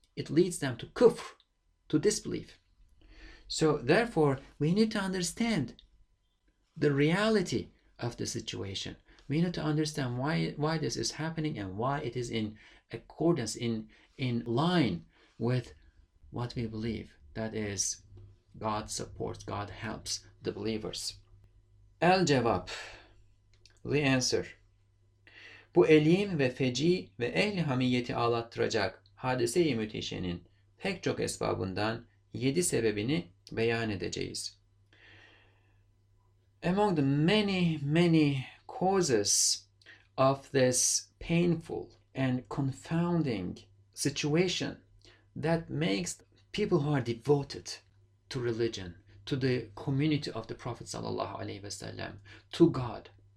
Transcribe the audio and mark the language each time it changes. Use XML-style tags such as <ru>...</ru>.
<en>It leads them to kufr, to disbelief. So therefore, we need to understand the reality of the situation. We need to understand why this is happening and why it is in accordance, in line with what we believe. That is, God supports, God helps the believers. El-Cevap, the answer.</en> <tr>Bu elim ve feci ve ehli hamiyeti ağlattıracak hadise-i müteşenin pek çok esbabından 7 sebebini beyan edeceğiz.</tr> <en>Among the many, many causes of this painful and confounding situation that makes people who are devoted to religion, to the community of the Prophet sallallahu alaihi wasallam, to God,</en>